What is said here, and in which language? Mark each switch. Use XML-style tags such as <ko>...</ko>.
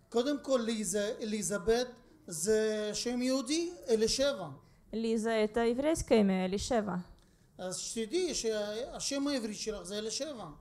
<he>קודם כל, Лиза, Элизабет, זה שם יהודי, Элишева.</he> <ru>Лиза, это еврейское имя, Элишева.</ru> <he>אז שתדעי, השם העברי שלך זה Элишева.</he>